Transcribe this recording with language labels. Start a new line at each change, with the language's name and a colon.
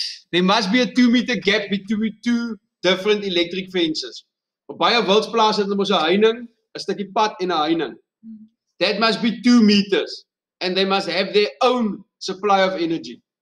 English: There must be a 2 meter gap between 2 different electric fences.
Afrikaans: Op baie wildsplaas het ons 'n heining, 'n stukkie pad en 'n heining.
English: That must be 2 meters and they must have their own supply of energy.